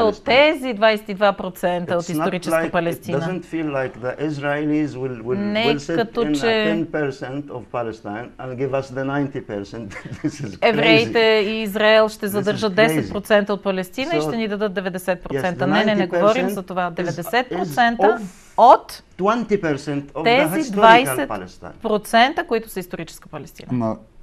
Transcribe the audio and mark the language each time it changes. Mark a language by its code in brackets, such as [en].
[bg] от тези 22% от историческа Палестина. [en] It doesn't feel like the Israelis will sit in 10% of Palestine and give us the 90%. This is crazy. [bg] Евреите и Израел ще задържат 10% от Палестина и ще ни дадат 90%. Не, не говорим за това. 90% от тези 20%, които са историческа Палестина.